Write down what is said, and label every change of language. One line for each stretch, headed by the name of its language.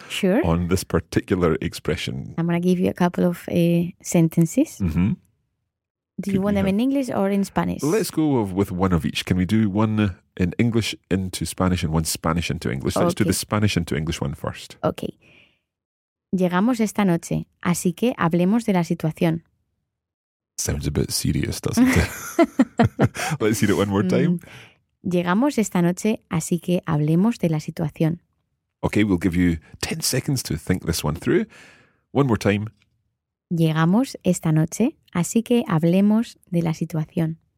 English: sure. on this particular expression? I'm going to give you a couple of sentences. Mm-hmm. Do Could you want them have... in English or in Spanish? Let's go with one of each. Can we do one in English into Spanish and one Spanish into English? Let's okay. do the Spanish into English one first. Okay.
Spanish: Llegamos esta noche, así que hablemos de la situación.
English: Sounds a bit serious, doesn't it? Let's hear it one more time.
Spanish: Llegamos esta noche, así que hablemos de la situación.
English: Okay, we'll give you 10 seconds to think this one through. One more time.
Spanish: Llegamos esta noche, así que hablemos de la situación.